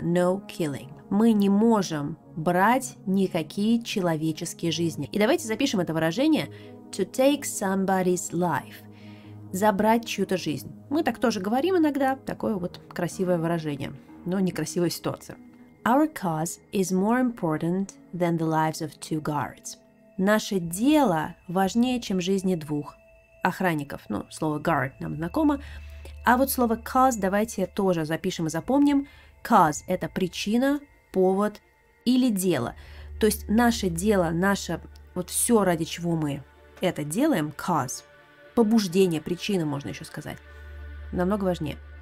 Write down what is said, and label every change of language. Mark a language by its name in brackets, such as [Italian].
[English] No killing. [Russian] Мы не можем брать никакие человеческие жизни. И давайте запишем это выражение [English] to take somebody's life. [Russian] Забрать чью-то жизнь. Мы так тоже говорим иногда. Такое вот красивое выражение, но некрасивая ситуация. [English] Our cause is more important than the lives of two guards. [Russian] Наше дело важнее, чем жизни двух охранников. Ну, слово guard нам знакомо. А вот слово cause давайте тоже запишем и запомним. Cause – это причина, повод или дело. То есть наше дело, наше вот все, ради чего мы это делаем, cause, побуждение, причина, можно еще сказать, намного важнее.